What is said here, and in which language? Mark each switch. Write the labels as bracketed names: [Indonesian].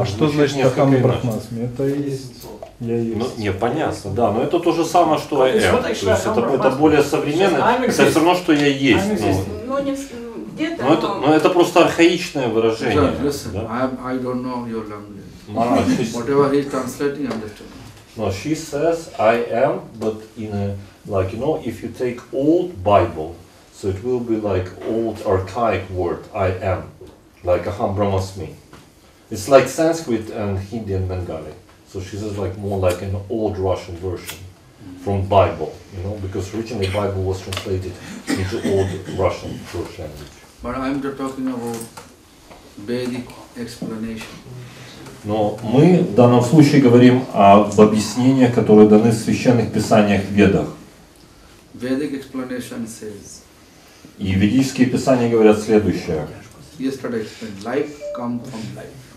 [Russian] А что значит Ахамбрахмасми? Это и есть... Ну, не, понятно, да, но это то же самое, что я есть. То есть это более современное, это все равно, что я есть. Но, это просто архаичное выражение. [English] I don't know your language. Whatever he's translating, understand. No, she says, I am, but in a, like, you know, if you take old Bible, so it will be like old archaic word, I am, like aham brahmasmi. It's like Sanskrit and Hindi and Bengali. So she says like more like an old Russian version from Bible, you know, because originally Bible was translated into old Russian Jewish language. But I'm just talking about Vedic explanation. [Russian] Но мы в данном случае говорим об объяснениях, которые даны в священных писаниях Ведах. [English] Vedic explanation says. [Russian] И ведические писания говорят следующее. [English] Yesterday explained, life comes from life.